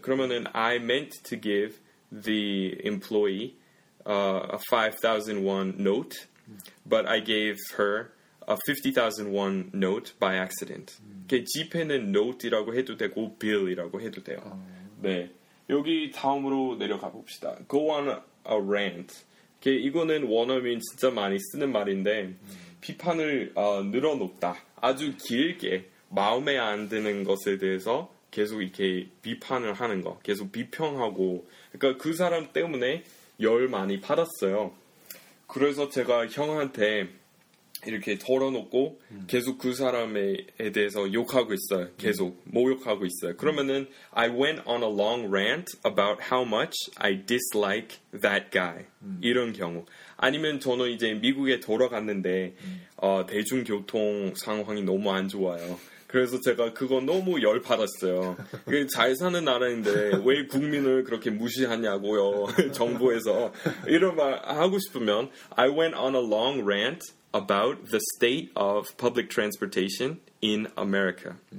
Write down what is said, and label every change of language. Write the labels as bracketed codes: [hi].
[en] 그러면은 I meant to give the employee a 5,000 won note, but I gave her a 50,000 won note by accident. [ko] 지폐는 note이라고 해도 되고 bill이라고 해도 돼요. 네, 여기 다음으로 내려가 봅시다. [en] Go on a rant. [ko] 이거는 원어민 진짜 많이 쓰는 말인데 비판을 늘어놓다. 아주 길게 마음에 안 드는 것에 대해서 계속 이렇게 비판을 하는 거, 계속 비평하고, 그러니까 그 사람 때문에 열 많이 받았어요. 그래서 제가 형한테 이렇게 털어놓고 계속 그 사람에 대해서 욕하고 있어요. 계속 모욕하고 있어요. [en] 그러면은 I went on a long rant about how much I dislike that guy. [ko] 이런 경우. 아니면 저는 이제 미국에 돌아갔는데 대중교통 상황이 너무 안 좋아요. 그래서 제가 그거 너무 열 받았어요. 잘 사는 나라인데 왜 국민을 그렇게 무시하냐고요. 정부에서. 이런 말 하고 싶으면 [en] I went on a long rant about the state of public transportation in America.